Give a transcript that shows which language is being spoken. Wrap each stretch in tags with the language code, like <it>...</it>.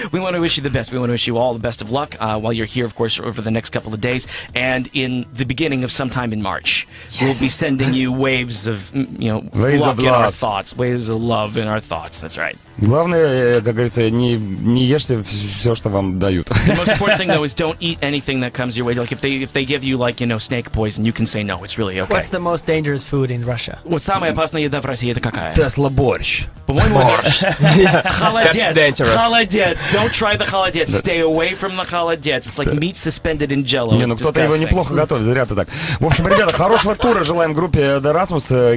<en>We want to wish you the best. We want to wish you all the best of luck while you're here, of course, over the next couple of days and in the beginning of sometime in March. Yes. We'll be sending you waves of, you know, waves of love in our thoughts. Waves of love in our thoughts. That's right.</en> <ru>Главное, как говорится, не ешьте все, что вам дают.</ru> <en>The most important thing, though, is don't eat anything that comes your way. Like, if they give you, like, you know, snake poison, you can say no, it's really okay. What's the most dangerous food in Russia?</en> <ru>Вот самая опасная еда в России, это какая? Тесла борщ. По-моему, борщ.</ru> <en>Холодец. That's dangerous. Холодец. Don't try the холодец. Stay away from the холодец. It's like meat suspended in jello.</en> <ru>Не, ну кто-то его неплохо готовит, зря ты так. В общем, ребята, хорошего тура желаем группе The Rasmus.</ru>